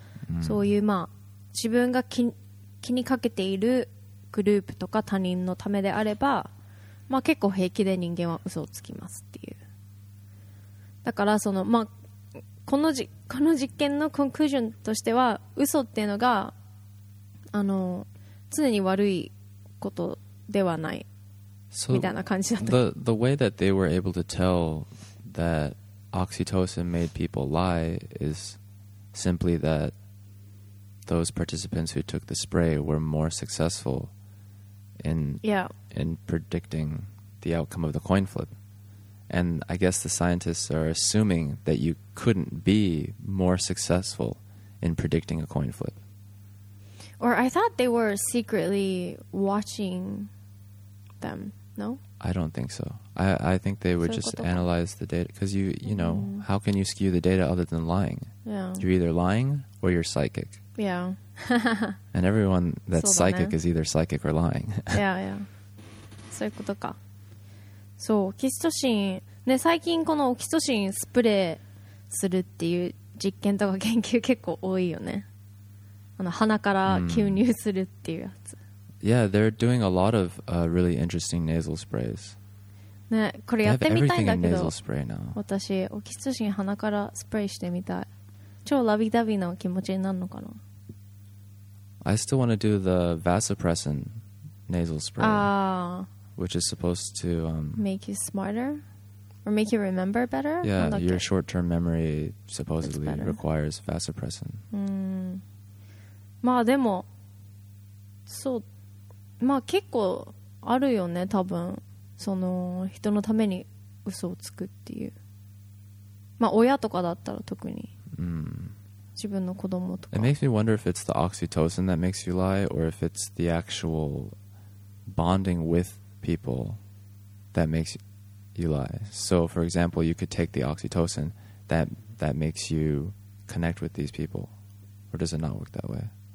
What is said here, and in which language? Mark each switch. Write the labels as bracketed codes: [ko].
[ja] うん、そういう、まあ、自分が気にかけているグループとか他人のためであれば、まあ、結構平気で人間は嘘をつきますっていう。だからその、まあ、この実験のコンクルージョンとしては、嘘っていうのがあの常に悪いことではないみたいな感じだった。 [en] The way that they were able to tell that oxytocin made people lie is simply thatthose participants who took the spray were more successful in predicting the outcome of the coin flip. And I guess the scientists are assuming that you couldn't be more successful in predicting a coin flip. Or I thought they were secretly watching them, no? I don't think so. I think they would just analyze the data. Because, you know, how can you skew the data other than lying? Yeah. You're either lying or you're psychic. Yeah. And everyone that's psychic is either psychic or lying. Yeah, yeah. [ja] そういうことか。そう、オキシトシン、ね、最近このオキシトシンスプレーするっていう実験とか研究結構多いよね。あの、鼻から吸入するっていうやつ。 [en] Yeah, they're doing a lot of really interesting nasal sprays. [ja] ね、これやってみたいんだけど。 [en] They have everything in nasal spray now. [ja] 私、オキシトシン鼻からスプレーしてみたい。超ラビダビな気持ちになるのかな。 [en] I still want to do the vasopressin nasal spray, which is supposed to make you smarter or make you remember better. Yeah, your short-term memory supposedly requires vasopressin. [ja] まあでも、そう、まあ結構あるよね。多分その人のために嘘をつくっていう、まあ親とかだったら特に。自分の子供とか。 [en] It makes me wonder if it's the oxytocin that makes you lie, or if it's the actual bonding with people that makes you lie. So, for example, you could take the oxytocin that makes you connect with these people. Or does it not work that way?